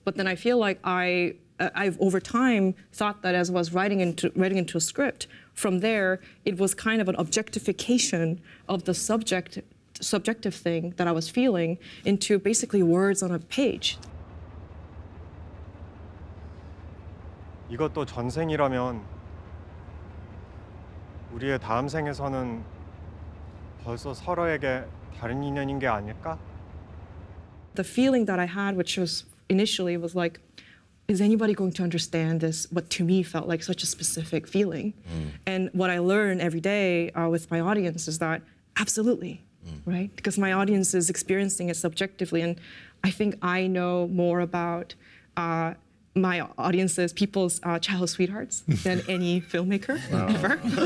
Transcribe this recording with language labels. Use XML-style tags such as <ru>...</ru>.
<en>But then I feel like I've over time thought that as I was writing into a script, from there, it was kind of an objectification of the subjective thing that I was feeling into basically words on a page.</en> <ko>이것도 전생이라면 우리의 다음 생에서는 벌써 서로에게 다른 인연인 게 아닐까?</ko> <en>The feeling that I had, which was initially, was like, is anybody going to understand this, what to me felt like such a specific feeling? Mm. And what I learn every day with my audience is that absolutely, right? Because my audience is experiencing it subjectively, and I think I know more about my audience's, people's childhood sweethearts than any filmmaker ever.</en>